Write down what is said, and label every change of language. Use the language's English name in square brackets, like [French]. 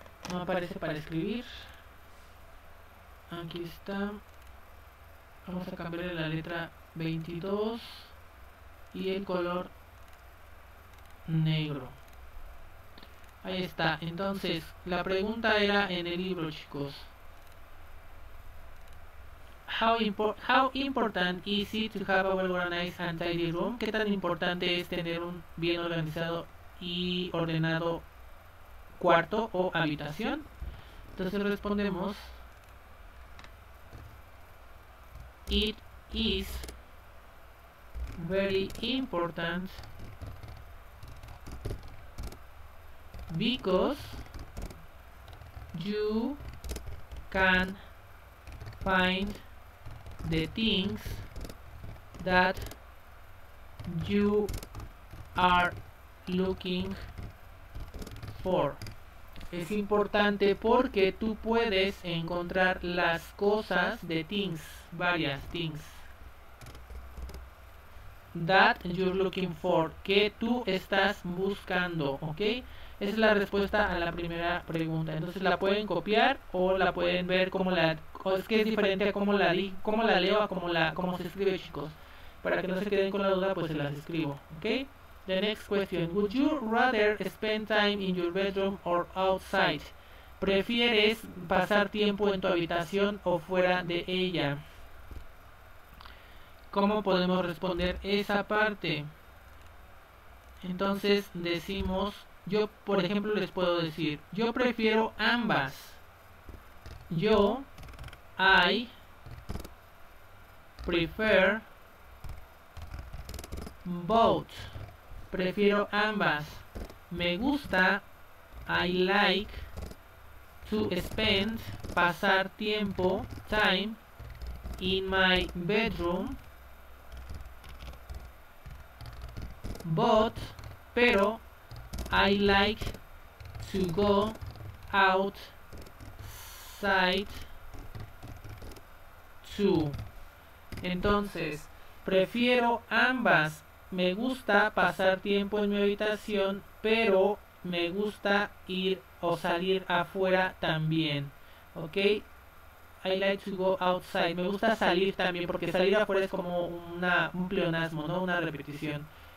[Spanish] No aparece para escribir. Aquí está. Vamos a cambiarle la letra 22 y el color negro. Ahí está. Entonces, la pregunta era en el libro, chicos. [English] How important is it to have a well-organized and tidy room? [Spanish] ¿Qué tan importante es tener un bien organizado y ordenado cuarto o habitación? Entonces respondemos: [English] It is very important because you can find the things that you are looking for. [Spanish] Es importante porque tú puedes encontrar las cosas de things, varias things. [English] That you're looking for, [Spanish] que tú estás buscando, ¿ok? Esa es la respuesta a la primera pregunta. Entonces la pueden copiar o la pueden ver como la... Es que es diferente a cómo la leo a cómo se escribe, chicos. Para que no se queden con la duda, pues se las escribo, ¿ok? [English] The next question. Would you rather spend time in your bedroom or outside? [Spanish] ¿Prefieres pasar tiempo en tu habitación o fuera de ella? ¿Cómo podemos responder esa parte? Entonces decimos, yo por ejemplo les puedo decir, yo prefiero ambas. [English] Yo, I prefer both. [Spanish] Prefiero ambas. Me gusta, [English] I like to spend, [Spanish] pasar tiempo, [English] time, in my bedroom. But, [Spanish] pero, [English] I like to go outside too. [Spanish] Entonces, prefiero ambas. Me gusta pasar tiempo en mi habitación, pero me gusta ir o salir afuera también. ¿Ok? [English] I like to go outside. [Spanish] Me gusta salir también porque salir afuera es como un pleonasmo, ¿no? Una repetición.